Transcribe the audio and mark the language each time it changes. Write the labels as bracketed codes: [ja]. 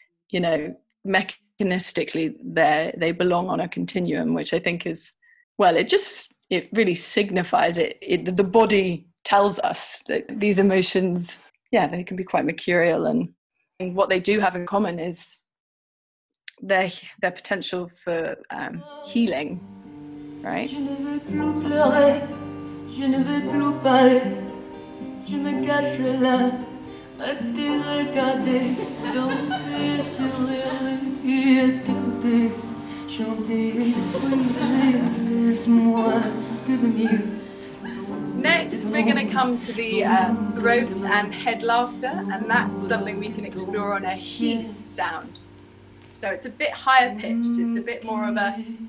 [en] You know, mechanistically they belong on a continuum, which I think is, well, it really signifies the body tells us that these emotions, yeah, they can be quite mercurial, and what they do have in common is their potential for healing, right? [fr] Je ne veux plus parler, je me cache là, à te regarder, danser sur les rues et t'écouter, chanter, laisse-moi devenir. [en] Next, we're going to come to the throat and head laughter, and that's something we can explore on a he sound. So it's a bit higher pitched, it's a bit more of a